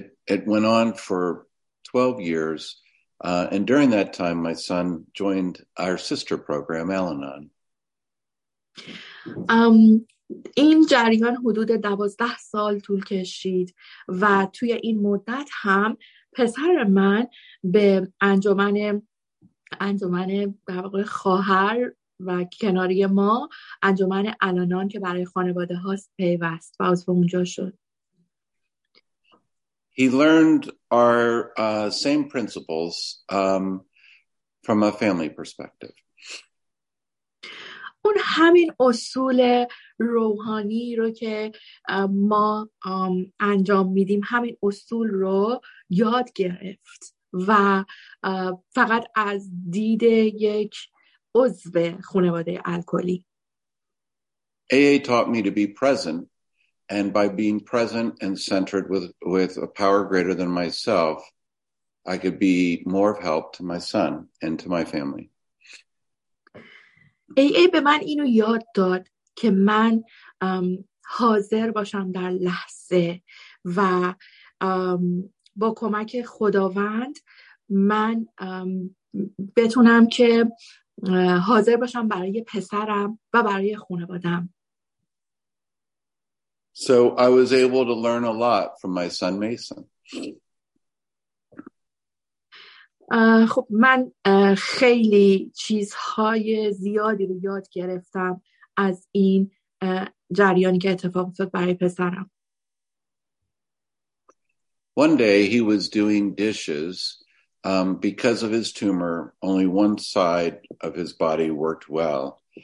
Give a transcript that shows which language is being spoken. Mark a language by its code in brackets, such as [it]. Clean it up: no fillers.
[en] It went on for 12 years, and during that time, my son joined our sister program, Al-Anon. [fa] این جریان حدود 12 سال طول کشید و توی این مدت هم پسر من به انجمن در واقع خواهر و کناری ما انجمن الانان که برای خانواده هاست پیوست و از اونجا شد. [en] He learned our same principles from a family perspective. [fa] اون همین اصول روحانی رو که ما انجام میدیم همین اصول رو یاد گرفت و فقط از دید یک عضو خانواده الکلی. [en] AA taught me to be present. And by being present and centered with a power greater than myself, I could be more of help to my son and to my family. [fa] AA به من اینو یاد داد که من حاضر باشم در لحظه و با کمک خداوند من بتونم که حاضر باشم برای پسرم و برای خانواده‌ام. [en] So I was able to learn a lot from my son Mason. [fa] خب من خیلی چیزهای زیادی رو یاد گرفتم از این جریانی که اتفاق افتاد برای پسرم. [en] One day he was doing dishes because of his tumor, only one side of his body worked well.